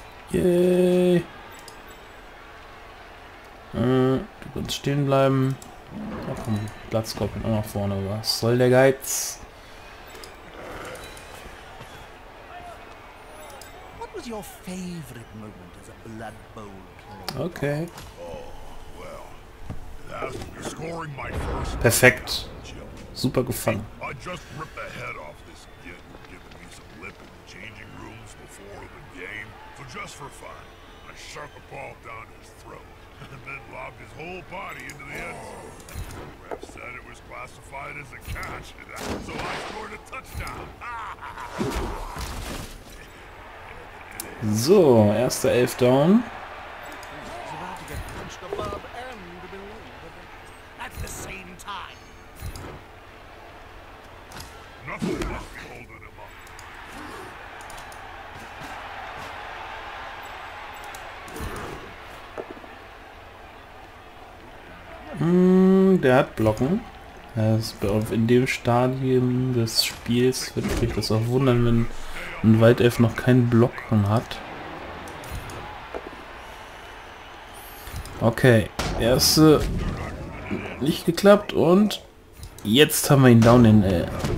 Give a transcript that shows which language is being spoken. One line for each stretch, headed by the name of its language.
English: Yay!
German: Du kannst stehen bleiben. Oh komm, Blattskorpion auch nach vorne, was soll der Geiz?
English: What was your favorite moment as a Blood Bowl player? Okay. Oh, well. That's scoring my first.
German: Perfekt. Super gefangen.
English: I just ripped the head off this kid and given me some lip in the changing rooms before the game. So just for fun, I shot the ball down his throat. And then lobbed his whole body into the end zone. The ref said it was classified as a catch, and so I scored a touchdown.
German: So, erster Elf down.
English: At the same time. Nothing left holding him up.
German: Der hat Blocken. In dem Stadium des Spiels würde ich mich das auch wundern, wenn ein Waldelf noch keinen Blocken hat. Okay, erste nicht geklappt und jetzt haben wir ihn down in L.